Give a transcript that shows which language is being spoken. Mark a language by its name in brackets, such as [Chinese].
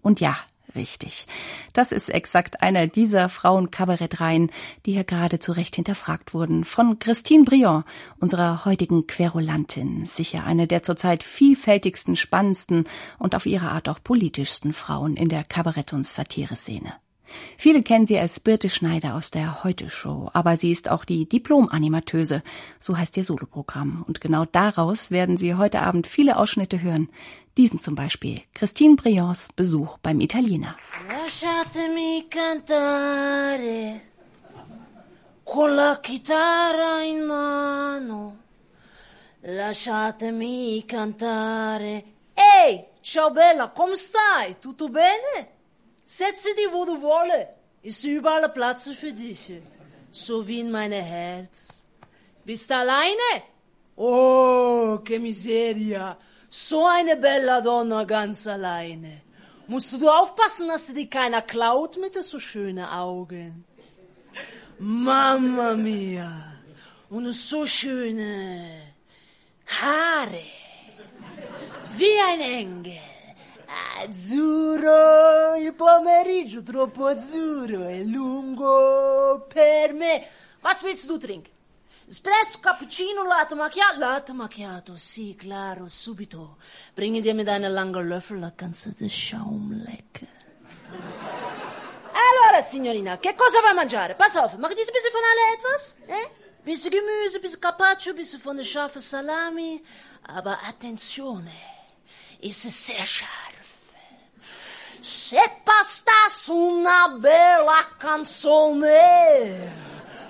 [German] Und ja, richtig, das ist exakt einer dieser Frauenkabarettreihen, die hier gerade zu Recht hinterfragt wurden, von Christine Briand, unserer heutigen Querulantin, sicher eine der zurzeit vielfältigsten, spannendsten und auf ihre Art auch politischsten Frauen in der Kabarett- und Satire-Szene. Viele kennen sie als Birte Schneider aus der Heute-Show, aber sie ist auch die Diplom-Animateuse, so heißt ihr Soloprogramm. Und genau daraus werden Sie heute Abend viele Ausschnitte hören. Diesen zum Beispiel, Christine Briands Besuch beim Italiener. [Italian] Lasciatemi cantare con la chitarra in mano. Lasciatemi cantare. Ehi, ciao bella, come stai? Tutto bene? [German] Setziti wo du wolle, ist überall Platz für dich, so wie in meine Herz. Bist alleine? [Italian] Oh, che miseria, [German] so eine bella Donna ganz alleine. Musst du aufpassen, dass sie dir keiner klaut mit so schönen Augen. Mamma mia, und so schöne Haare, wie ein Engel. [Italian] Azzurro, il pomeriggio troppo azzurro, è lungo per me. [German] Was willst du trinken? [Italian] Espresso, cappuccino, latte macchiato? Latte macchiato, sì, claro, subito. [German] Bringi dir mit deiner langen Löffel la ganze de Schaum lecker. [Italian] Allora, signorina, che cosa vuoi mangiare? [German] Pass auf, mach dir ein bisschen von allem etwas? Bisschen Gemüse, bisschen Carpaccio, bisschen von der scharfen Salami. Aber attenzione, ist es sehr scharf. [Italian] Se bastasse una bella canzone.